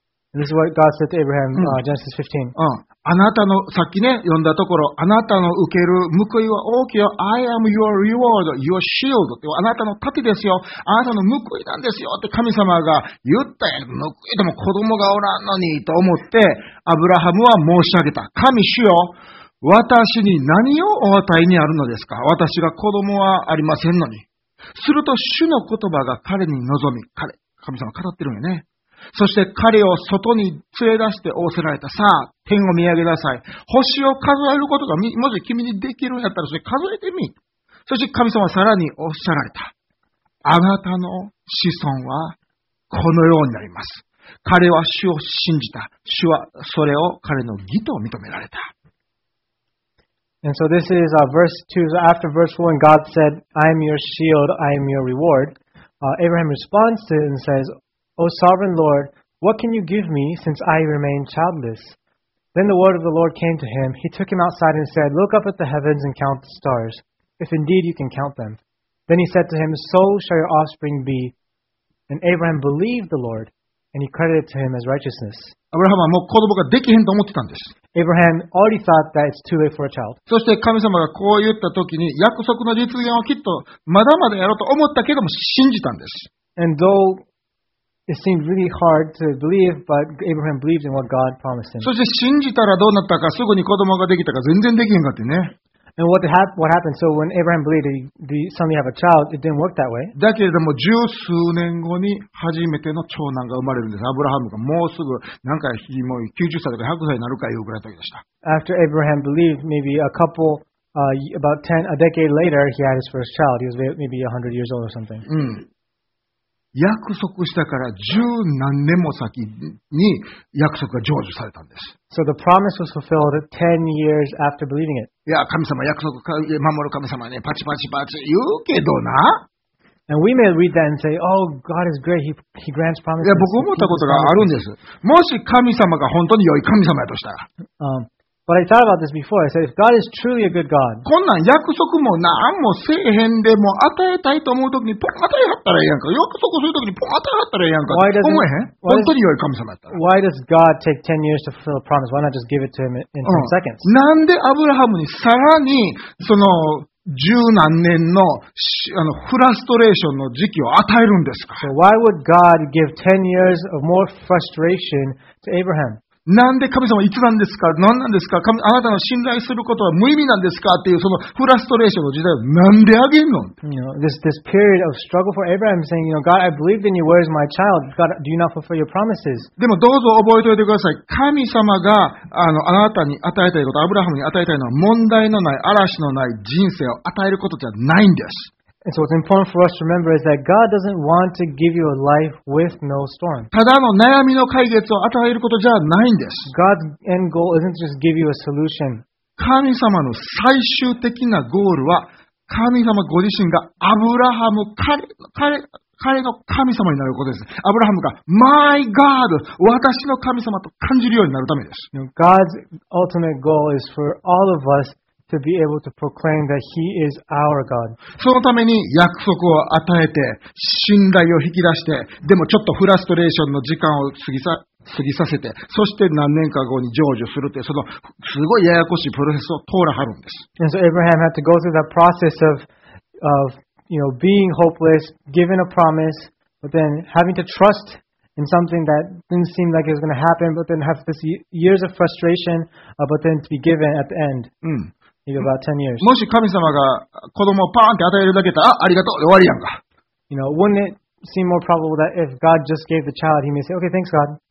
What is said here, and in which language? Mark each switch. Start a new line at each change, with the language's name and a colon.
English: This is what God said to Abraham, Genesis 15.
Japanese: あなたの、さっきね、読んだところ、あなたの受ける報いは大きいよ。
English: I am your reward, your shield.
Japanese: あなたの盾ですよ。あなたの報いなんですよ。って神様が言ったやん。報いでも子供がおらんのに、と思って、アブラハムは申し上げた。神主よ。私に何をお与えにあるのですか？私が子供はありませんのに。すると主の言葉が彼に臨み、神様語ってるんよね。そして彼を外に連れ出して仰せられた。さあ、天を見上げなさい。星を数えることがもし君にできるんやったら、それ数えてみ。そして神様はさらにおっしゃられた。あなたの子孫はこのようになります。彼は主を信じた。主はそれを彼の義と認められた。
English: And so this is verse 2. So after verse 1, God said, I am your shield, I am your reward. Abraham responds to it and says, O sovereign Lord, what can you give me since I remain childless? Then the word of the Lord came to him. He took him outside and said, Look up at the heavens and count the stars, if indeed you can count them. Then he said to him, So shall your offspring be. And Abraham believed the Lord, and he credited to him as righteousness.
Japanese: Abraham はもう子供ができへんと思ってたんです。
English: Abraham already thought that it's too late for a child.
Japanese: そして神様がこう言った時に約束の実現はきっとまだまだやろうと思ったけども信じたんです。
English: And though it seemed really hard to believe, but Abraham believed in what God promised him.
Japanese: そして信じたらどうなったか、すぐに子供ができたか、全然できへんかってね。
English: And what happened? So when Abraham believed he suddenly have a child, it didn't work that way.
Japanese: だけれども十数年後に初めての長男が生まれるんです。アブラハムがもうすぐなんか90歳とか100歳になるかいうぐらいの時でした。
English: After Abraham believed, maybe a decade later, he had his first child. He was maybe 100 years old or something.
Japanese: 約束したから十何年も先に約束が成就されたんです。
English: So the promise was fulfilled 10 years after believing it.
Japanese: いや、神様、約束守る神様ね、パチパチパチ言うけどな。
English: And we may read that and say, oh, God is great, He grants promises.
Japanese: いや、僕思ったことがあるんです。もし神様が本当に良い神様やとしたら。
English: But I thought about this before. I said, if God is truly a good God,
Japanese: こんなん約束も何もせえへんでも与えたいと思うときにポン与えはったらいいやんか。約束するときにポン与えはったらいいやんか。
English: Why does
Japanese: 思えへん
English: why
Japanese: 本当に良い神様やったら。
English: Why does God take 10 years to fulfill a promise? Why not just give it to him in 10 seconds?
Japanese: なんでアブラハムにさらにその十何年 の, あのフラストレーションの時期を与えるんですか。
English: So why would God give 10 years of more frustration to Abraham?
Japanese: なんで神様いつなんですか何なんですか神あなたの信頼することは無意味なんですかっていうそのフラストレーションの時代をなんであげんの
English: you know, this period of struggle for Abraham saying, you know, God, I believed in you, where is my child? God, do you not fulfill your promises?
Japanese: でもどうぞ覚えておいてください。神様が あなたに与えたいこと、アブラハムに与えたいのは問題のない、嵐のない人生を与えることじゃないんです。
English: And so what's important for us to remember is that God doesn't want to give you a life with no storm.
Japanese: ただの悩みの解決を与えることじゃないんです。
English: God's end goal isn't just give you a solution.
Japanese: 神様の最終的なゴールは、神様ご自身がアブラハム、彼の神様になることです。アブラハムが、
English: My God!
Japanese: 私の神様と感じるようになるためです。
English: God's ultimate goal is for all of us to be able to proclaim that He is our God.
Japanese: そのために約束を与えて信頼を引き出して、でもちょっとフラストレーションの時間を過ぎさせて、そして何年か後に成就するってそのすごいややこしいプロセスを通らはるんです。
English: And so Abraham had to go through that process of you know being hopeless, giving a promise, but then having to trust in something that didn't seem like it was going to happen, but then have this years of frustration, but then to be given at the end. About 10 years.
Japanese: もし神様が子供をパーンって与えるだけだったら、ありがとう、終わりやんか。
English: You know, wouldn't it seem more probable that if God just gave the child, he may say, okay, thanks, God.